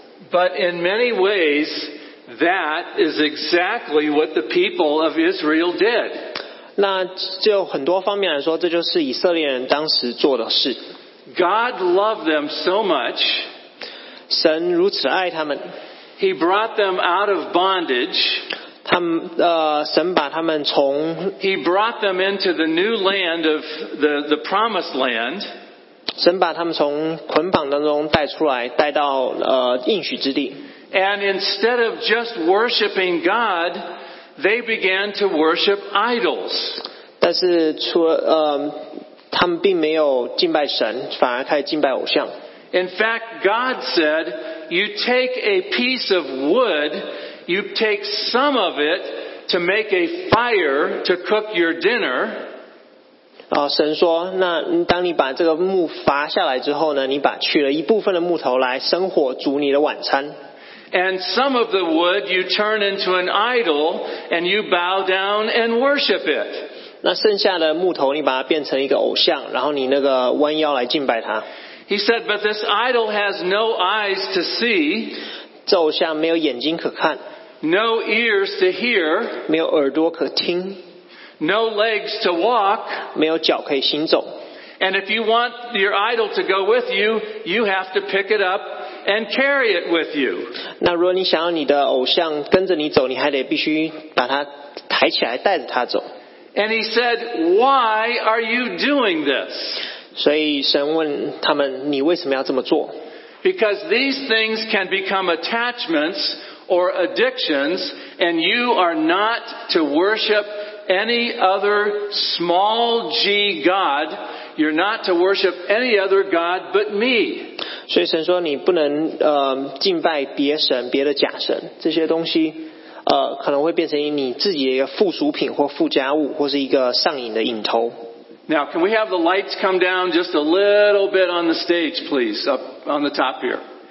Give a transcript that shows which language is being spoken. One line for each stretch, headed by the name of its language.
English: But in many ways, that is exactly what the people of Israel did.
Chinese: 那就很多方面来说，这就是以色列人当时做的事。
English: God loved them so much.
Chinese: 神如此爱他们。
English: He brought them out of bondage.
Chinese: 他们神把他们从
English: He brought them into the new land of the promised land.
Chinese: 神把他们从捆绑当中带出来，带到应许之地。
English: And instead of just worshiping God, they began to worship idols.
Chinese: 但是除他们并没有敬拜神，反而开始敬拜偶像。
English: In fact, God said, "You take a piece of wood." You take some of it to make a fire to cook your dinner.
Chinese: 神说，那当你把这个木伐下来之后呢，你把取了一部分的木头来生火煮你的晚餐。
English: And some of the wood you turn into an idol and you bow down and worship it.
Chinese: 那剩下的木头你把它变成一个偶像，然后你那个弯腰来敬拜它。
English: He said, but this idol has no eyes to see.
Chinese: 这偶像没有眼睛可看。
English: No ears to hear,
Chinese: 没有耳朵可听。
English: No legs to walk,
Chinese: 没有脚可以行走。
English: And if you want your idol to go with you, you have to pick it up and carry it with you.
Chinese: 那如果你想要你的偶像跟着你走，你还得必须把它抬起来带着它走。
English: And he said, "Why are you doing this?"
Chinese: 所以神问他们，你为什么要这么做？
English: Because these things can become attachments. Or addictions, and you are not to worship any other small g god. You're not to worship any other god but me.
Chinese: 所以神说你不能敬拜别神、别的假神，这些东西可能会变成你自己的一个附属品或附加物，或是一个上瘾的瘾头。
English: Now, can we have the lights come down just a little bit on the stage, please, up on the top here?